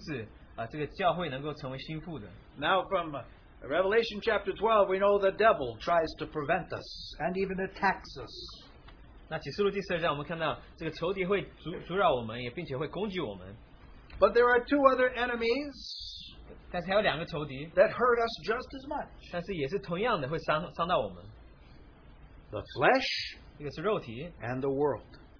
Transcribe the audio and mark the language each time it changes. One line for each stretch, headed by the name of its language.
Chinese: 那有三个仇敌乃是会阻止这个教会能够成为心腹的。
English: Now from Revelation chapter 12, we know the devil tries to prevent us and even attacks us.
Chinese: 那启示录第十二章我们看到这个仇敌会阻扰我们也并且会攻击我们。
English: But there are two other enemies that hurt us just as much. The flesh and the world.